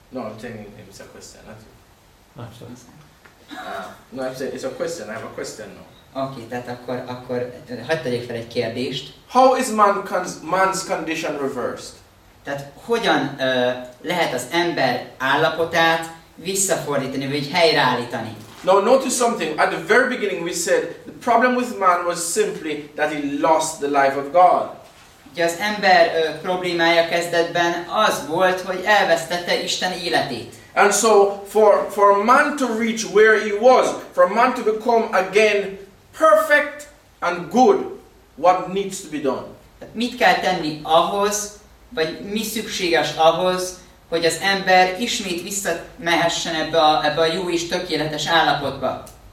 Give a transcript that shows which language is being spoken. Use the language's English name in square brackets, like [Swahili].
[English] No, I'm telling you, it's a question, not you. No, I'm saying it's a question. I have a question now. [Hungarian] Okay, tehát akkor hadd tegyek fel egy kérdést. [English] How is man's condition reversed? [Hungarian] Tehát hogyan lehet az ember állapotát visszafordítani, vagy helyreállítani? [English] Now notice something. At the very beginning we said the problem with man was simply that he lost the life of God. [Hungarian] Ugye az ember problémája kezdetben az volt, hogy elvesztette Isten életét. [English] And so for man to reach where he was, for man to become again perfect and good, what needs to be done? [Hungarian] Mit kell tenni ahhoz, vagy mi szükséges ahhoz, hogy az ember ismét visszamehessen ebbe a jó és tökéletes állapotba?